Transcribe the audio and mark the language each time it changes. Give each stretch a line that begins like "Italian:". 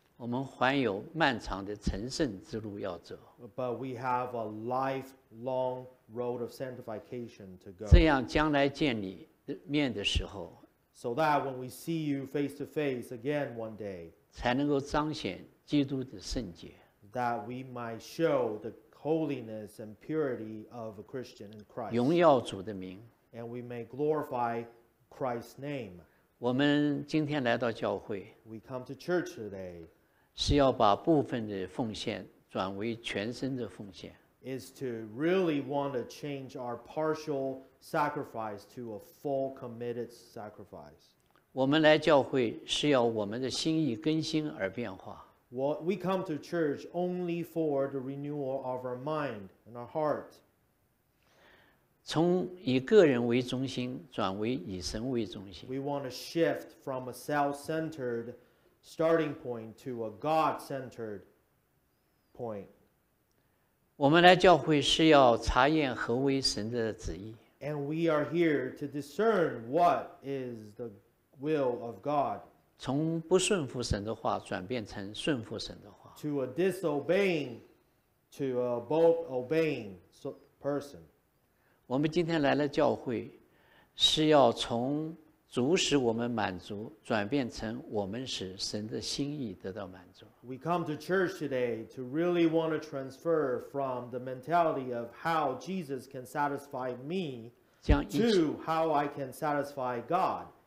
Chinese: 我们还有漫长的成圣之路要走。
English: But we have a lifelong road of sanctification to go.
Chinese: 这样将来见你面的时候。
English: So that when we see you face to face again one day,
Chinese: 才能够彰显基督的圣洁。
English: That we might show the holiness and purity of a Christian in Christ.
Chinese: 荣耀主的名。
English: And we may glorify Christ's name.
Chinese: 我们今天来到教会，
English: we come to church today.
Chinese: 是要把部分的奉献转为全身的奉献。
English: Is to really want to change our partial sacrifice to a full committed sacrifice.
Chinese: 我们来教会是要我们的心意更新而变化。
English: We come to church only for the renewal of our mind and our heart.
Chinese: 从以个人为中心转为以神为中心。
English: We want to shift from a self-centered starting point to a God-centered point.
Chinese: 我们来教会是要查验何为神的旨意。
English: And we are here to discern what is the will of God.
Chinese: 从不顺服神的话转变成顺服神的话。
English: To a disobeying, to a bold obeying person.
Chinese: 我们今天来了教会，是要从主使我们满足，转变成我们使神的心意得到满足。
English: We come to church today to really want to transfer from the mentality of how Jesus can satisfy me to how I can satisfy God.